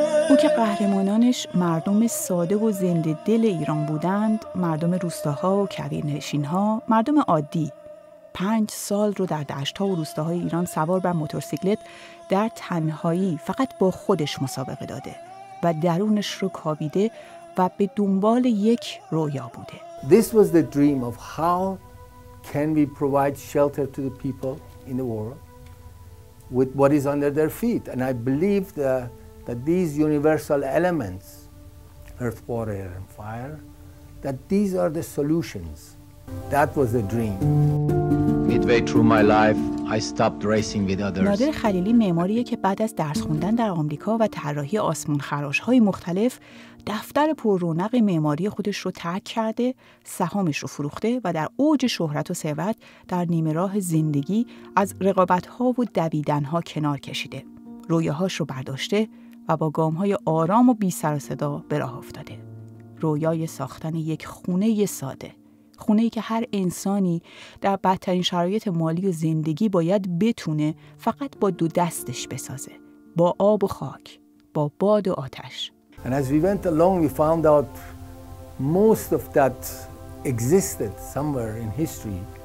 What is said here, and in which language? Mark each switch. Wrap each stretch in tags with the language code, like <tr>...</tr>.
<fa>او که قهرمانانش مردم ساده و زنده دل ایران بودند، مردم روستاها و کویرنشین‌ها، مردم عادی، 5 سال رو در دشت‌ها و روستاهای ایران سوار بر موتورسیکلت در تنهایی فقط با خودش مسابقه داده و درونش رو کاویده و به دنبال یک رویا بوده.</fa> <en>This was the dream of how can we provide shelter to the people in the world with what is under their feet. And I believe that these universal elements, earth, water, air and fire, that these are the solutions. That was the dream. Midway through my life, I stopped racing with others.</en> <fa>نادر خلیلی معماریه که بعد از درس خوندن در آمریکا و طراحی آسمون‌خراش‌های مختلف، دفتر پر رونق معماری خودش رو ترک کرده، سهامش رو فروخته و در اوج شهرت و ثروت در نیمه راه زندگی از رقابت‌ها و دویدن‌ها کنار کشیده. رویاهاش رو برداشته و با گام‌های آرام و بی سر و صدا به راه افتاده. رویای ساختن یک خونه ساده. خونه‌ای که هر انسانی در بدترین شرایط مالی و زندگی باید بتونه فقط با دو دستش بسازه. با آب و خاک، با باد و آتش.</fa> <en>And as we went along, we found out most of that existed somewhere in history.</en>